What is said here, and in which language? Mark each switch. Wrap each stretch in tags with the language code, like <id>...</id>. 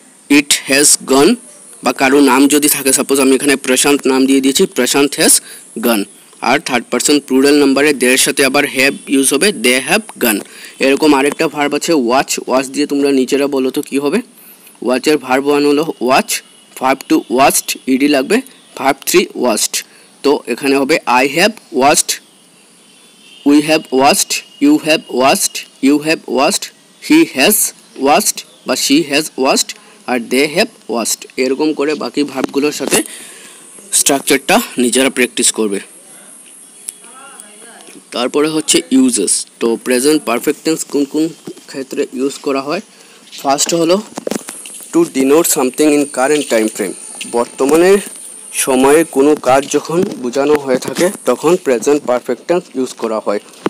<bn>It has gone, বা কারো নাম যদি থাকে, সাপোজ আমি এখানে প্রশান্ত নাম দিয়ে দিয়েছি,</bn> <en>Prashant has gone,</en> <bn>আর third person plural নাম্বারে দের সাথে আবার হ্যাভ ইউজ হবে,</bn> <en>They have gone.</en> <bn>এরকম আরেকটা ভার্ব আছে ওয়াচ, ওয়াচ দিয়ে তোমরা নিজেরা বলো তো কী হবে, ওয়াচের ভার্ব ওয়ান হলো watch, verb two watched, ED লাগবে,</bn> <en>verb 3 watched.</en> <bn>तो एखाने होबे</bn> <en>I have watched, we have watched, you have watched, you have watched, he has watched বা she has watched আর they have watched</en> <bn>এরকম করে বাকি ভার্বগুলোর সাথে স্ট্রাকচারটা নিজেরা প্র্যাকটিস করবে। তারপরে হচ্ছে ইউজেস। তো প্রেজেন্ট পারফেক্ট টেন্স কোন কোন ক্ষেত্রে ইউজ করা হয়। ফার্স্ট হলো</bn> <en>to denote something in current time frame,</en> <bn>বর্তমানে সময়ে কোনো কাজ যখন বোঝানো হয়ে থাকে তখন প্রেজেন্ট পারফেক্ট টেন্স ইউজ করা হয়।</bn>